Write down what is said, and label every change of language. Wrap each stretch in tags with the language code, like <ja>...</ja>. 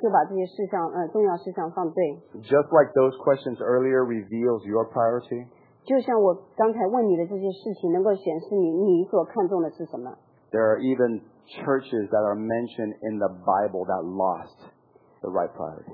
<zh>很容易嘛就把这些事项重要事项放对。</zh> <en>Just like those questions earlier reveals your priority.</en> <zh>就像我刚才问你的这些事情能够显示你所看重的是什么。</zh> <en>There are even churches that are mentioned in the Bible that lost the right priority.</en>